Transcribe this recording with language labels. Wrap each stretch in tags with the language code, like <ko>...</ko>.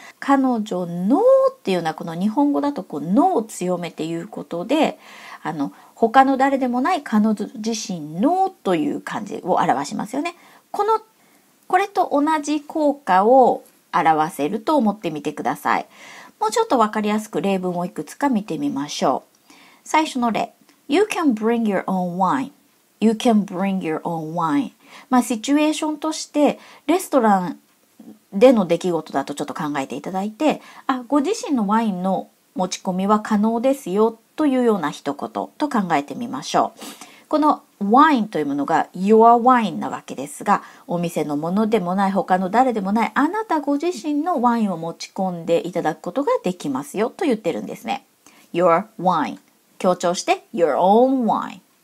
<ja>彼女のっていうのは、この日本語だとこうのを強めて言うことで、他の誰でもない彼女自身のという感じを表しますよね。これと同じ効果を表せると思ってみてください。もうちょっとわかりやすく例文をいくつか見てみましょう。最初の例。</ja> <en>You can bring your own wine. You can bring your own wine.</en> <ja>まあ、シチュエーションとして、レストランでの出来事だとちょっと考えていただいて、あ、ご自身のワインの持ち込みは可能ですよ。というような一言と考えてみましょう。この wine というものが</ja> <en>your wine</en> <ja>なわけですが、お店のものでもない、他の誰でもない、あなたご自身のワインを持ち込んでいただくことができますよと言ってるんですね。</ja> <en>your wine。</en> <ja>強調して</ja> <en>your own wine。</en>